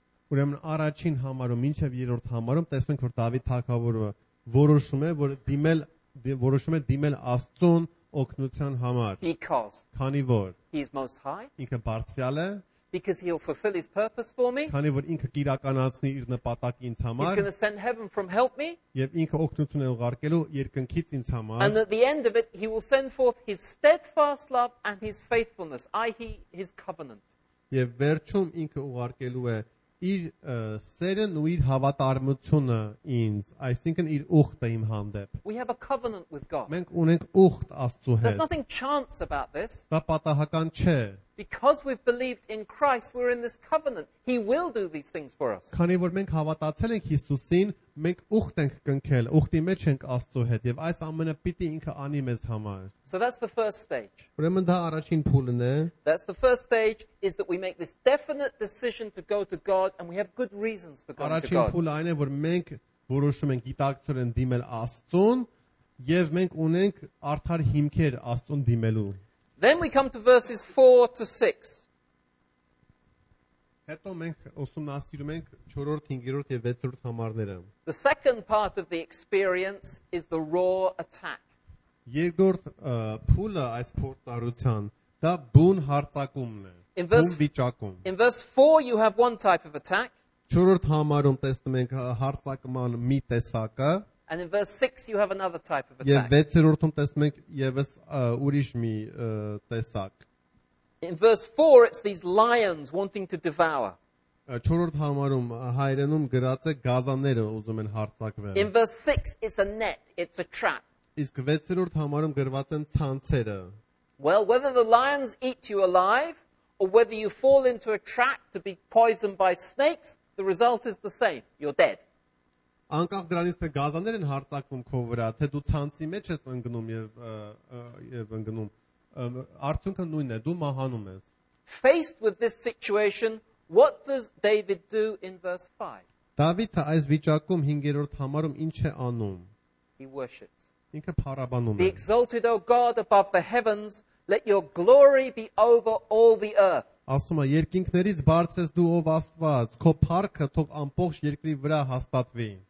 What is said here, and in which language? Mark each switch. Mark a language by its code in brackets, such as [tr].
[hy] Ուրեմն առաջին համարում մինչև երրորդ համարում տեսնենք, որ Դավիթ թագավորը որոշում է, որ դիմել Աստծուն օգնության համար։ [en] Because [hy] քանի որ [en] He is most high. [hy] Ինքը բարձրյալ է։ [en] Because he'll fulfill his purpose for me. [hy] Քանի որ ինքը կիրականացնի իր նպատակը ինձ համար։ [en] He's going to send heaven from help me. [hy] Եվ ինքը օգնություն է ուղարկելու երկնքից ինձ համար։ [en] And at the end of it he will send forth his steadfast love and his faithfulness, i.e. his covenant. [hy] Եվ վերջում ինքը ուղարկելու է իր սերն ու իր հավատարմությունը ինձ, այսինքն իր ուխտը իմ հանդեպ։ [en] We have a covenant with God. [hy] Մենք ունենք ուխտ Աստծո հետ։ [en] There's nothing chance about this. [hy] Դա պատահական չէ։ [en] Because we've believed in Christ, we're in this covenant. He will do these things for us. [hy] Քանի որ մենք հավատացել ենք Հիսուսին, մենք ուխտ ենք կնքել, ուխտի մեջ ենք Աստծո հետ, եւ այս ամենը պիտի ինքը անի մեզ համար. [en] So that's the first stage. [hy] Ուրեմն դա առաջին փուլն է. [en] That's the first stage is that we make this definite decision to go to God and we have good reasons for going to God. [hy] Առաջին փուլը այն է, որ մենք որոշում ենք գիտակցորեն դիմել Աստծուն եւ մենք ունենք արդար հիմքեր Աստծուն դիմելու։ [en] Then we come to verses 4 to 6. [hy] Հետո մենք ուսումնասիրում ենք 4-րդ, 5-րդ եւ 6-րդ համարները։ [en] The second part of the experience is the raw attack. [hy] Երկրորդ փուլը այս փորձառության դա բուն հարձակումն է։ Բուն վիճակում։ [en] In verse 4 you have one type of attack. [hy] 4-րդ համարում տեսնում ենք հարձակման մի տեսակը։ [en] And in verse 6 you have another type of attack. [hy] Եվ 6-րդում տեսնում ենք եւս ուրիշ մի տեսակ։ [en] In verse 4 it's these lions wanting to devour. [hy] 4-րդ համարում հայերենում գրած է գազանները ուզում են հարձակվել։ [en] In verse 6 it's a net, it's a trap. [hy] Իսկ 6-րդ համարում գրված են ցանցերը։ [en] Well, whether the lions eat you alive or whether you fall into a trap to be poisoned by snakes, the result is the same. You're dead. [hy] Անկախ դրանից թե գազաներ են հարձակվում քո վրա, թե դու ցանցի մեջ ես ընկնում եւ ընկնում, արդյունքը նույնն է, դու մահանում ես։ [en] Faced with this situation, what does David do in verse 5? [hy] Դավիթը այս վիճակում 5-րդ համարում ինչ է անում? [en] He worships. [hy] Ինքը փառաբանում է։ [en] Be exalted, O God, above the heavens, let your glory be over all the earth. [hy] Ասում է երկինքներից բարձրես դու ով Աստված, քո փառքը թող ամբողջ երկրի վրա հաստատվի։